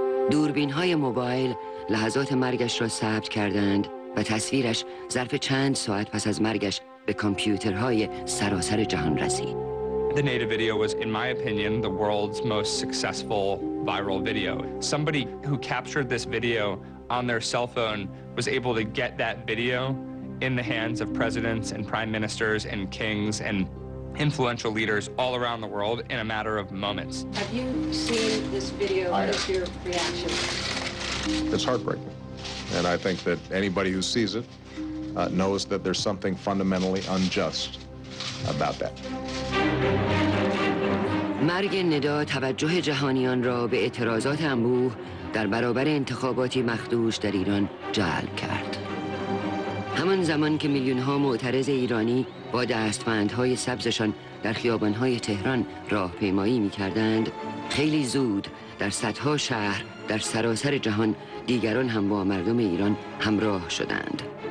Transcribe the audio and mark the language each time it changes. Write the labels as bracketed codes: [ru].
[fa] دوربین‌های موبایل لحظات مرگش را ثبت کردند و تصویرش ظرف چند ساعت پس از مرگش به کامپیوترهای سراسر جهان رسید. [en] The Neda video was, in my opinion, the world's most successful viral video. Somebody who captured this video on their cell phone was able to get that video in the hands of presidents and prime ministers and kings and influential leaders all around the world in a matter of moments. Have you seen this video? What is your reaction? It's heartbreaking. And I think that anybody who sees it knows that there's something fundamentally unjust about that. [fa] مرگ ندا توجه جهانیان را به اعتراضات انبوه در برابر انتخاباتی مخدوش در ایران جلب کرد. همان زمان که میلیون‌ها معترض ایرانی با دستبندهای سبزشان در خیابان‌های تهران راهپیمایی می‌کردند، خیلی زود در صدها شهر در سراسر جهان دیگران هم با مردم ایران همراه شدند.